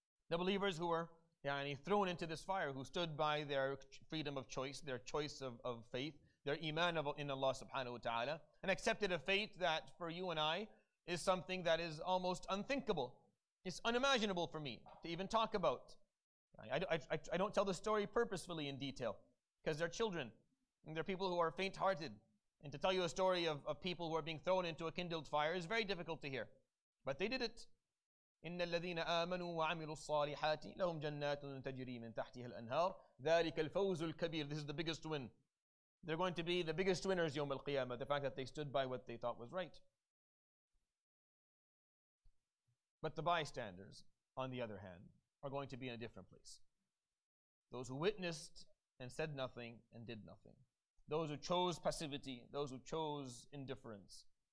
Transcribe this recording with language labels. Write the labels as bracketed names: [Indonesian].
[English] The believers who were thrown into this fire, who stood by their freedom of choice, their choice of faith, their iman in Allah subhanahu wa ta'ala, and accepted a fate that for you and I is something that is almost unthinkable. It's unimaginable for me to even talk about. I don't tell the story purposefully in detail because they're children and they're people who are faint-hearted. And to tell you a story of people who are being thrown into a kindled fire is very difficult to hear. But they did it. [Arabic] إن الذين آمنوا وعملوا الصالحات لهم جنات تجري من تحتها الأنهار ذلك الفوز الكبير. [English] This is the biggest win. They're going to be the biggest winners [Arabic] يوم القيامة. [English] The fact that they stood by what they thought was right. But the bystanders, on the other hand, are going to be in a different place. Those who witnessed and said nothing and did nothing. Those who chose passivity, those who chose indifference.